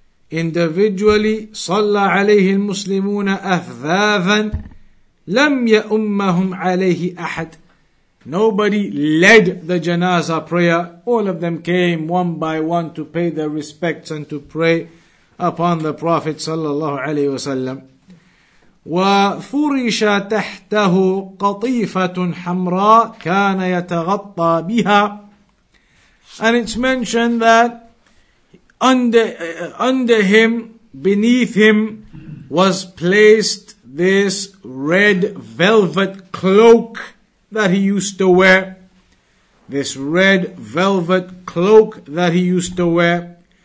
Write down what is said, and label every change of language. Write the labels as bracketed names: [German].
[Arabic] Individually, صَلَّ عَلَيْهِ الْمُسْلِمُونَ أَثْذَاذًا لَمْ يَأُمَّهُمْ عَلَيْهِ أَحَدٍ. [English] Nobody led the janazah prayer. All of them came one by one to pay their respects and to pray upon the Prophet sallallahu alayhi wa sallam. [Arabic] وَفُرِشَ تَحْتَهُ قَطِيفَةٌ حَمْرَى كَانَ يَتَغَطَّى بِهَا. [English] And it's mentioned that Under him, beneath him, was placed this red velvet cloak that he used to wear. this red velvet cloak that he used to wear.